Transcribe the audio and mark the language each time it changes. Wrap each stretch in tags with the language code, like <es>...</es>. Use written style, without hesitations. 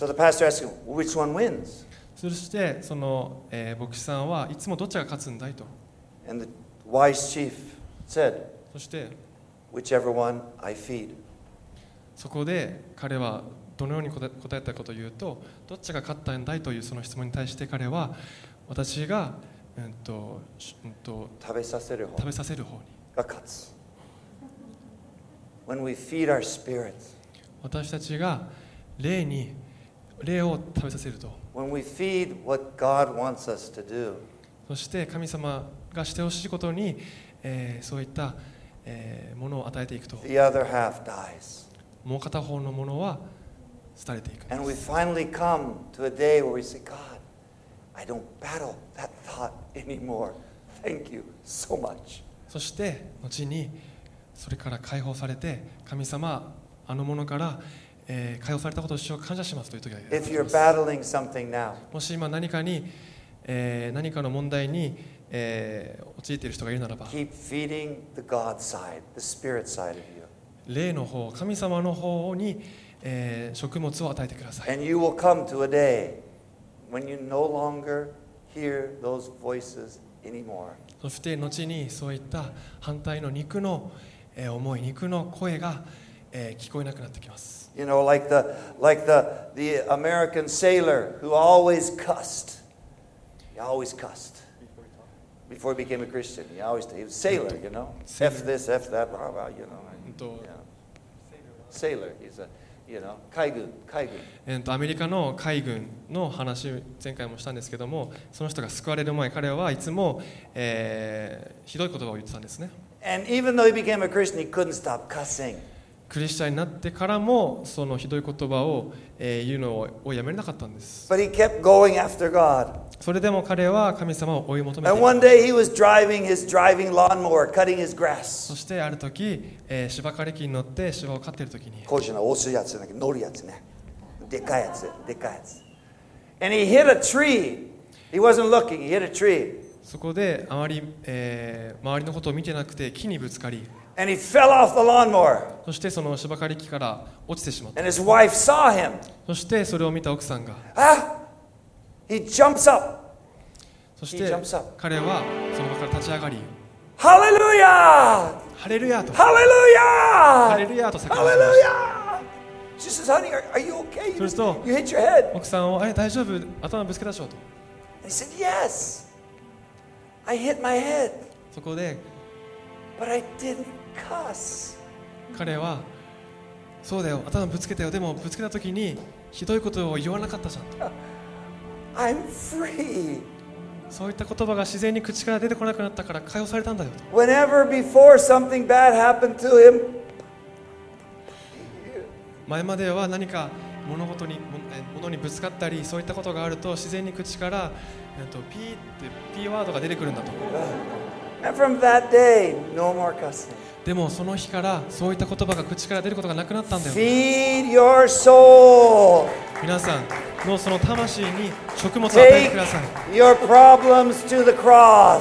<en>So the pastor asks him, which one wins?</en> <ja>そしてその、牧師さんはいつもどっちが勝つんだいと。</ja> <en>And the wise chief said,</en> <ja>そして、</ja> <en>whichever one I feed.</en> <ja>そこで彼はどのように答えたかというと、どっちが勝ったんだいというその質問に対して彼は、私が食べさせる方、食べさせる方にが勝つ。</ja> <en>When we feed our spirit,</en> <ja>私たちが霊に霊を食べさせると。</ja> <en>When we feed what God wants us to do,</en> <ja>そして神様がしてほしいことに、そういった、ものを与えていくと。</ja> <en>The other half dies.</en> <ja>もう片方のものは廃れていく。</ja> <en>And we finally come to a day where we say, God. I don't battle that thought anymore. Thank you so much.</en> <ja>そして後にそれから解放されて神様あのものから、解放されたことを感謝しますという時があります。</ja> <en>If you're battling something now,</en> <ja>もし今何かに、何かの問題に、陥っている人がいるならば、</ja> <en>keep feeding the God side, the spirit side of you.</en> <ja>霊の方、神様の方に、食物を与えてください。</ja> <en>And you will come to a day. When you no longer hear those voices anymore.</en> <ja>そして後にそういった反対の肉の思い、肉の声が聞こえなくなってきます。</ja> <en>You know, like the American sailor who always cussed. He always cussed. Before he became a Christian, he always he was sailor, you know. F this, F that, blah blah, you know. Sailor, he's a. You know,</en> <ja>海軍。アメリカの海軍の話前回もしたんですけども、その人が救われる前彼はいつも、ひどい言葉を言ってたんですね。</ja> <en>And even though he became a Christian, he couldn't stop cussing.</en> <ja>クリスチャンになってからもそのひどい言葉を、言うのをやめれなかったんです。</ja> <en>But he kept going after God.</en> <ja>それでも彼は神様を追い求め</ja> <en>て。And one day he was driving his driving lawnmower, cutting his grass.</en> <ja>そしてある時、芝刈り機に乗って芝を刈っている時に。こうじゃない、押すやつじゃなくて乗るやつね。でかいやつ、でかいやつ。</ja> <en>And he hit a tree. He wasn't looking. He hit a tree.</en> <ja>そこであまり、周りのことを見てなくて木にぶつかり。</ja> <en>And he fell off the lawnmower.</en> <ja>そしてその芝刈り機から落ちてしまった。</ja> <en>And his wife saw him.</en> <ja>そしてそれを見た奥さんが。</ja> <en>Ah! He jumps up. そして彼はその場から立ち上がり。 Hallelujah! Hallelujah! Hallelujah! Hallelujah! She says, "Honey, are you okay? You hit your head."</en> <ja>奥さんを、大丈夫？頭ぶつけたでしょうと。</ja> <en>And he said, "Yes, I hit my head."</en> <ja>そこで。</ja> <en>But I didn't cuss.</en> <ja>彼はそうだよ、頭ぶつけたよ。でもぶつけた時にひどいことを言わなかったじゃんと。</ja> <en>I'm free.</en> <ja>そういった言葉が自然に口から出てこなくなったから解放されたんだよと。</ja> <en>Whenever before something bad happened to him.</en> <ja>前までは何か物事に物にぶつかったりそういったことがあると自然に口からピーってピーワードが出てくるんだと。</ja> <en>And from that day, no more cussing.</en> <ja>でもその日からそういった言葉が口から出ることがなくなったんだよ。</ja> <en>Feed your soul.</en> <ja>皆さんのその魂に食物を与えてください。</ja> <en>Take your problems to the cross.</en>